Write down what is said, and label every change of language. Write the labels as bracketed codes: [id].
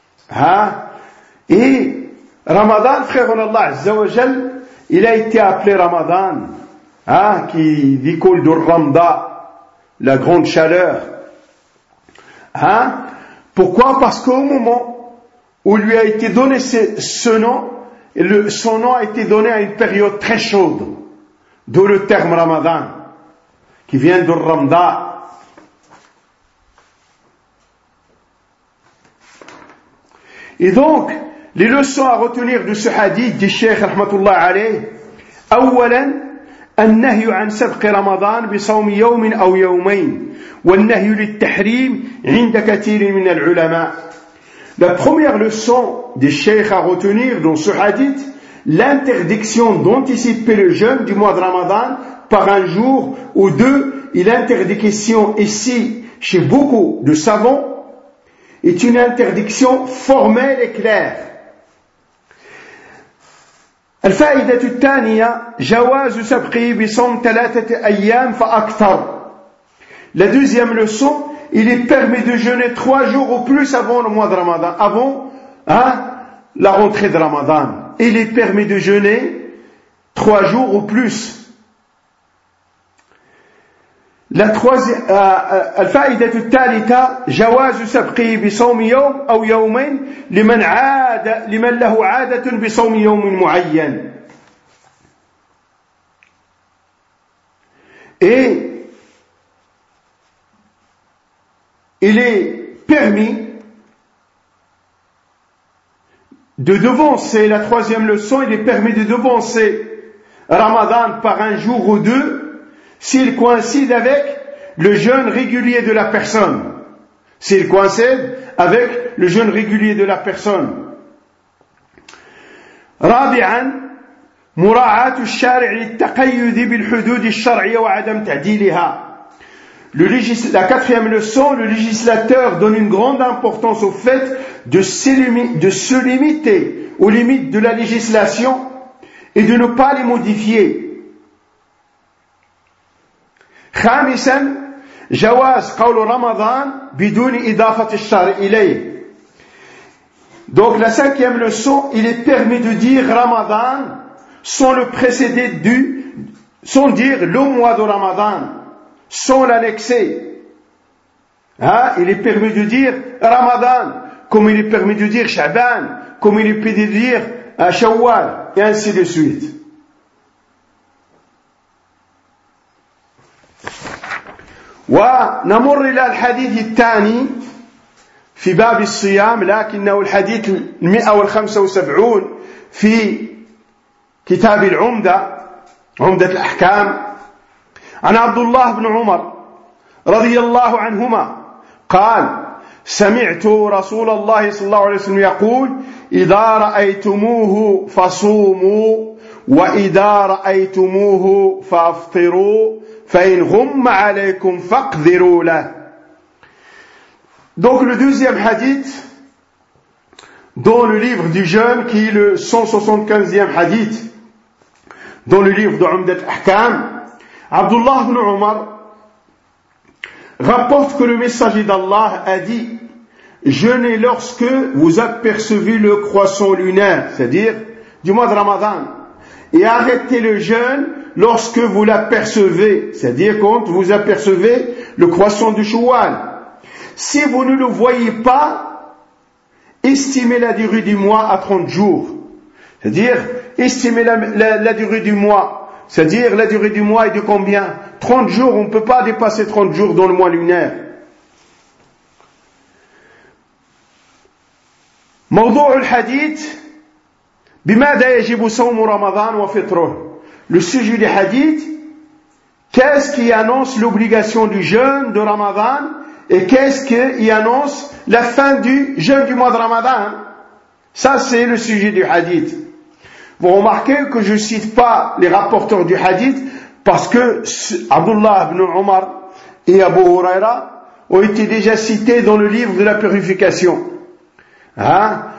[fr] Hein? Et Ramadan, frère Allah Azza wa Jal, il a été appelé Ramadan, hein, qui découle de Ramda, la grande chaleur. Hein? Pourquoi? Parce qu'au moment où lui a été donné ce nom, son nom a été donné à une période très chaude, d'où le terme Ramadan, qui vient de Ramda. Et donc, les leçons à retenir de ce hadith du Cheikh Rahmatullah alayh, [ar] أولاً, النهي عن سبق رمضان بصوم يوم أو يومين, والنهي للتحريم عند كثير من العلماء. [fr] La première leçon du Cheikh à retenir dans ce hadith, l'interdiction d'anticiper le jeûne du mois de Ramadan par un jour ou deux, et l'interdiction ici chez beaucoup de savants, est une interdiction formelle et claire. [ar] الفائدة الثانية جواز سبقه بصوم ثلاثة أيام فأكثر. [fr] La deuxième leçon, il est permis de jeûner trois jours ou plus avant le mois de Ramadan, avant la rentrée de Ramadan. Il est permis de jeûner 3 jours ou plus. La troisième, [ar] الفائده الثالثه جواز سبقه بصوم يوم او يومين لمن عاد لمن له عاده بصوم يوم معين. [fr] Et il est permis de devancer, la troisième leçon, il est permis de devancer Ramadan par un jour ou deux s'il coïncide avec le jeûne régulier de la personne. S'il coïncide avec le jeûne régulier de la personne. [ar] Rabi'an. مراعاة الشارع للتقيد بالحدود الشرعية وعدم تعديلها. [fr] La quatrième leçon, le législateur donne une grande importance au fait de se limiter aux limites de la législation et de ne pas les modifier. [ar] خامسا جواز قول رمضان بدون إضافة الشارع إليه. [fr] Donc la cinquième leçon, il est permis de dire Ramadan sans le précéder du, sans dire le mois de Ramadan, sans l'annexer. Hein, il est permis de dire Ramadan, comme il est permis de dire Sha'ban, comme il est permis de dire Shawwal, et ainsi de suite. [ar] Wa namur ila al-hadith al-thani fi bab al-siyam, lakinnahu al-hadith al-175 fi كتاب العمدة عمدة الأحكام عن عبد الله بن عمر رضي الله عنهما قال سمعت رسول الله صلى الله عليه وسلم يقول إذا رأيتموه فصوموا وإذا رأيتموه فافطروا فإن غم عليكم فاقذروا له. [fr] Donc le deuxième hadith dans le livre du jeûne qui est le 175e hadith dans le livre de Umdat Ahkam, Abdullah ibn Umar rapporte que le messager d'Allah a dit « Jeûnez lorsque vous apercevez le croissant lunaire, c'est-à-dire du mois de Ramadan, et arrêtez le jeûne lorsque vous l'apercevez, c'est-à-dire quand vous apercevez le croissant du Shawwal. Si vous ne le voyez pas, estimez la durée du mois à 30 jours. » C'est-à-dire, estimer la durée du mois. C'est-à-dire, la durée du mois est de combien? 30 jours, on ne peut pas dépasser 30 jours dans le mois lunaire. [ar] موضوع الحديث بماذا يجب صوم رمضان وفطره. [fr] Le sujet du hadith, qu'est-ce qui annonce l'obligation du jeûne de Ramadan et qu'est-ce qui annonce la fin du jeûne du mois de Ramadan? Ça, c'est le sujet du hadith. Vous remarquez que je ne cite pas les rapporteurs du hadith parce que Abdullah ibn Omar et Abu Huraira ont été déjà cités dans le livre de la purification. Hein?